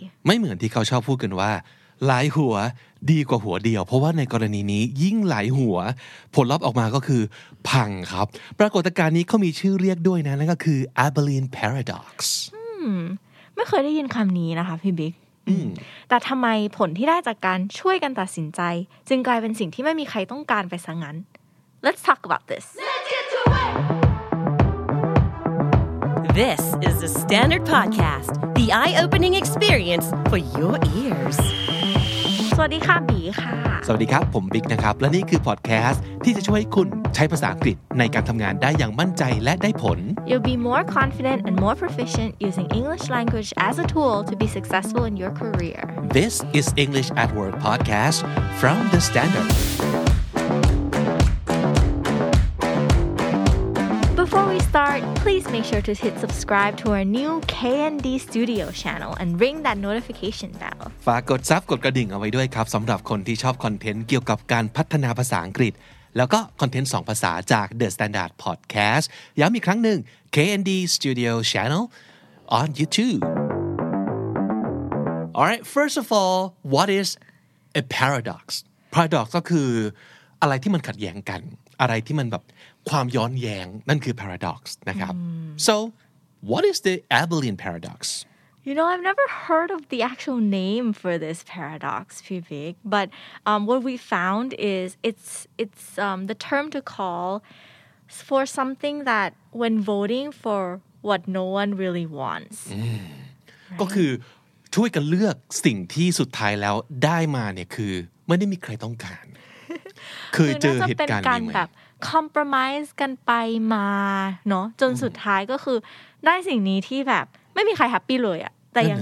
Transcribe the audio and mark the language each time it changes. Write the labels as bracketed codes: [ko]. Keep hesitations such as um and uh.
[th] ไม่เหมือนที่เขาชอบพูดกันว่า หลายหัวดีกว่าหัวเดียว เพราะว่าในกรณีนี้ยิ่งหลายหัว ผลลัพธ์ออกมาก็คือ พังครับ ปรากฏการณ์นี้เขามีชื่อเรียกด้วยนะ นั่นก็คือ Abilene Paradox ไม่เคยได้ยินคำนี้นะคะพี่บิ๊ก อืม แต่ทำไมผลที่ได้จากการช่วยกันตัดสินใจ จึงกลายเป็นสิ่งที่ไม่มีใครต้องการไปซะงั้น [en] Let's talk about this This is the Standard Podcast, the eye opening experience for your ears. [th] สวัสดีค่ะบีค่ะ สวัสดีครับ ผมบิ๊กนะครับ และนี่คือพอดแคสต์ที่จะช่วยให้คุณใช้ภาษาอังกฤษในการทำงานได้อย่างมั่นใจและได้ผล [en] You'll be more confident and more proficient using English language as a tool to be successful in your career This is English at Work podcast from the Standard Before we start, please make sure to hit subscribe to our new KND Studio channel and ring that notification bell [th] ฝากกดซับกดกระดิ่งเอาไว้ด้วยครับสำหรับคนที่ชอบคอนเทนต์เกี่ยวกับการพัฒนาภาษาอังกฤษ แล้วก็คอนเทนต์ 2 ภาษาจาก The Standard Podcast ย้ำอีกครั้งหนึ่ง KND Studio Channel on YouTube [en] Alright first of all what is a paradox [th] paradox ก็คืออะไรที่มันขัดแย้งกัน อะไรที่มันแบบความย้อนแย้ง นั่นคือ paradox นะครับ [en] so what is the Abilene paradox You know, I've never heard of the actual name for this paradox, Vivek, but um, what we found is it's it's um, the term to call for something that when voting for what no one really wants. [th] ก็คือช่วยกันเลือกสิ่งที่สุดท้ายแล้วได้มาเนี่ยคือ ไม่ได้มีใครต้องการ เคยเจอเหตุการณ์ น่จะเป็นการแบบ compromise กันไปมาเนาะจนสุดท้ายก็คือได้สิ่งนี้ที่แบบไม่มีใครแฮปปี้เลยอะแต่อย่าง